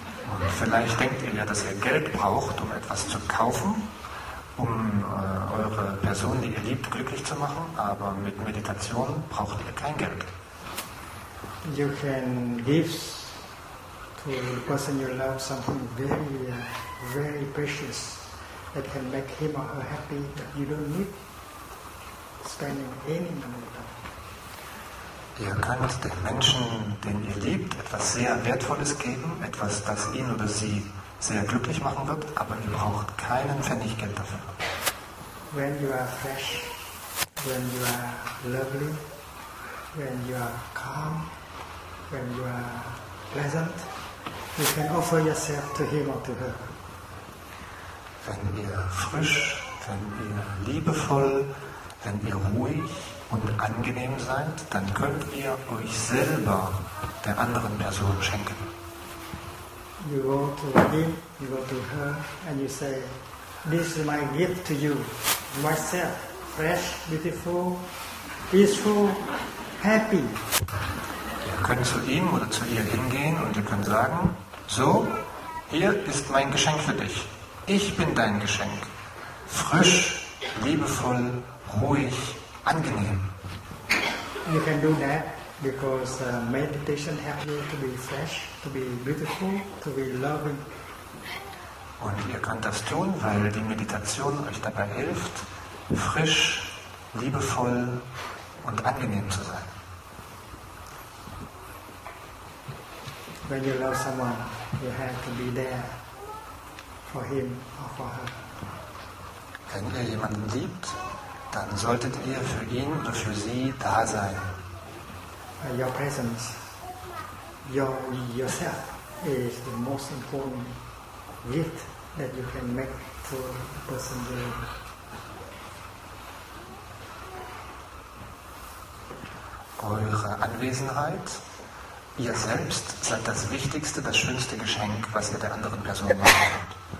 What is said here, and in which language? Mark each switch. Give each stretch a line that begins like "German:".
German: Und vielleicht denkt ihr ja, dass ihr Geld braucht, um etwas zu kaufen, um eure Person, die ihr liebt, glücklich zu machen, aber mit Meditation braucht ihr kein Geld.
English: You can give to the person you love something very, very precious that can make him or her happy, that you don't need spending any money on.
German: Ihr könnt den Menschen, den ihr liebt, etwas sehr Wertvolles geben, etwas, das ihn oder sie sehr glücklich machen wird, aber ihr braucht keinen Pfennig Geld dafür.
English: When you are fresh, when you are lovely, when you are calm, when you are pleasant, you can offer yourself to him or to her.
German: Wenn ihr frisch, wenn ihr liebevoll, wenn ihr ruhig und angenehm seid, dann könnt ihr euch selber der anderen Person schenken.
English: You go to him, you go to her, and you say, this is my gift to you, myself, fresh, beautiful, peaceful, happy.
German: Ihr könnt zu ihm oder zu ihr hingehen und ihr könnt sagen, so, hier ist mein Geschenk für dich. Ich bin dein Geschenk. Frisch, liebevoll, ruhig, angenehm.
English: You can do that because meditation helps you to be fresh, to be beautiful, to be loving.
German: Und ihr könnt das tun, weil die Meditation euch dabei hilft, frisch, liebevoll und angenehm zu sein.
English: When you love someone, you have to be there for him or for her.
German: Wenn ihr jemanden liebt, dann solltet ihr für ihn oder für sie da sein.
English: Your presence, yourself, is the most important gift that you can make to a person.
German: Eure Anwesenheit, ihr selbst, seid das wichtigste, das schönste Geschenk, was ihr der anderen Person machen könnt.